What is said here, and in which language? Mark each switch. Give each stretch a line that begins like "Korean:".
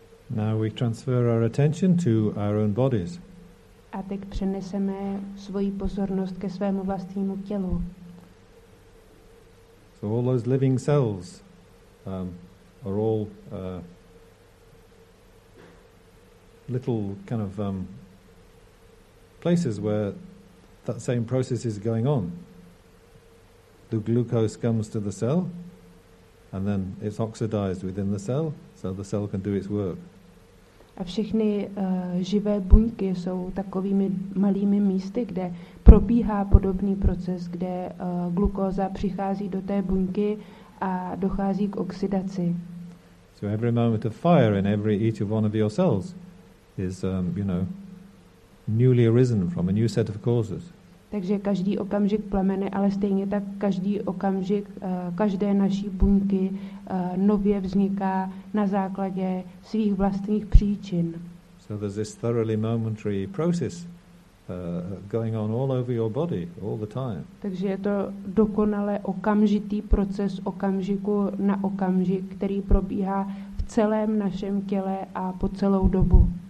English: Now we transfer our attention to our own bodies.
Czech: A teď přeneseme svoji pozornost ke svému vlastnímu tělu.
English: So all those living cells are all little kind of places where that same process is going on. The glucose comes to the cell and then it's oxidized within the cell so the cell can do its work.
Czech: A všechny živé buňky jsou takovými malými místy, kde probíhá podobný proces, kde glukóza přichází do té buňky a dochází k oxidaci.
English: So every moment of fire in every each of one of your cells is you know, newly arisen from a new set of causes.
Czech: Takže každý okamžik plamene, ale stejně tak každý okamžik každé naší buňky nově vzniká na základě svých vlastních příčin.
English: So there's this thoroughly momentary process going on all over your body all the time.
Czech: Takže je to dokonale okamžitý proces okamžiku na okamžik, který probíhá v celém našem těle a po celou dobu.